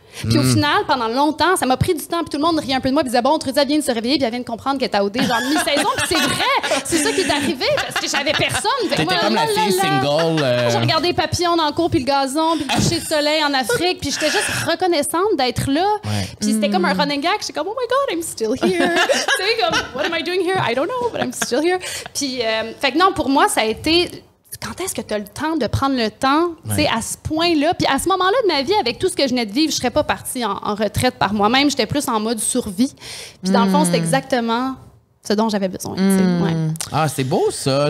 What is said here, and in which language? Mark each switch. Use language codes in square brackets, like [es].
[fr] Puis au final, pendant longtemps, ça m'a pris du temps. Puis tout le monde riait un peu de moi. Puis disait, bon, Trudia vient de se réveiller. Puis elle vient de comprendre qu'elle était au dé, genre mi-saison. Puis c'est vrai. C'est ça qui est arrivé. Parce que j'avais personne. T'étais moi, comme la fille single. J'ai regardé Papillon dans le cours. Puis le gazon. Puis le coucher de soleil en Afrique. Puis j'étais juste reconnaissante d'être là. Ouais. Puis c'était comme un running gag. J'étais comme, [en] oh my God, I'm still here. [fr] Tu sais, comme, [en] what am I doing here? I don't know, but I'm still here. [fr] Puis, fait que non, pour moi, ça a été. Quand est-ce que tu as le temps de prendre le temps, tu sais, à ce point-là? Puis à ce moment-là de ma vie, avec tout ce que je venais de vivre, je serais pas partie en retraite par moi-même. J'étais plus en mode survie. Puis dans le fond, c'est exactement ce dont j'avais besoin. Ah, c'est beau ça.